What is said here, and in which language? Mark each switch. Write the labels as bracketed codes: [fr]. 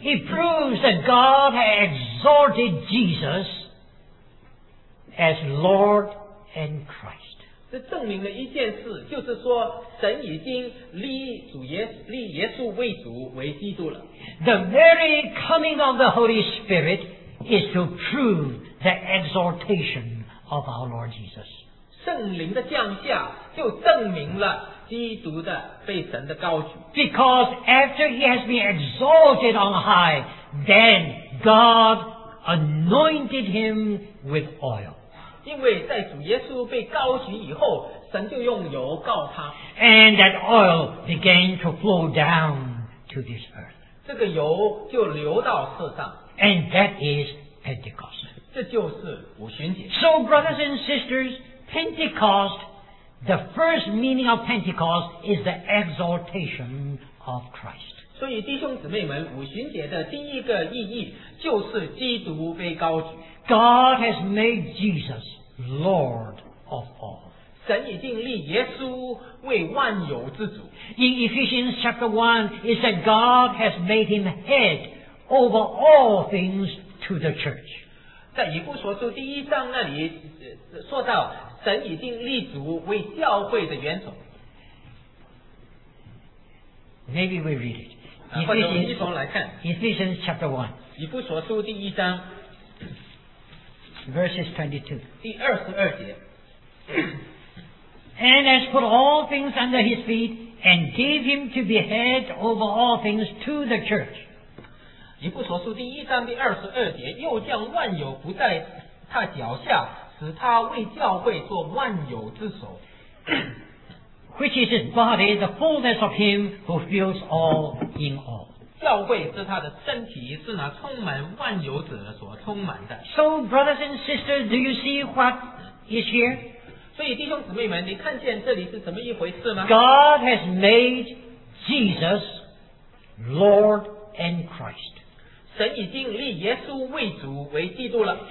[en] it proves that God has exalted Jesus as Lord and Christ. [zh] 这证明了一件事, 就是说神已经立耶稣为主为基督了。 [en] The very coming of the Holy Spirit is to prove the exaltation of our Lord Jesus. [zh] 圣灵的降下就证明了基督的被神的高举。 [en] Because after he has been exalted on high, then God anointed him with oil. [zh] 因为在主耶稣被高举以后，神就用油膏他。 [en] And that oil began to flow down to this earth. [zh] 这个油就流到世上。 [en] And that is Pentecost. [zh] 这就是五旬节。 [en] So brothers and sisters,Pentecost, the first meaning of Pentecost is the exaltation of Christ. [zh] 所以弟兄姊妹们，五旬节的第一个意义就是基督被高举。 [en] God has made Jesus Lord of all. [zh] 神已经立耶稣为万有之主。 [en] In Ephesians chapter 1, it said God has made him head over all things to the church. [zh] 在以弗所书第一章那里说到神已经立足为教会的元首。 [en] Maybe we read it. Ephesians chapter 1. [zh] 以弗所书第一章。 [en] Verses 22. [zh] 第二十二节。 [en] And has put all things under his feet and gave him to be head over all things to the church. [zh] 以弗所书第一章第二十二节，又将万有伏在他脚下，使他为教会做万有之首。 [en] Which is his body, the fullness of him who fills all in all. [zh] 教会是他的身体，是那充满万有者所充满的。 [en] So brothers and sisters, do you see what is here? [zh] 所以弟兄姊妹们，你看见这里是怎么一回事吗？ [en] God has made Jesus Lord and Christ. [zh] 神已经立耶稣为主为基督了。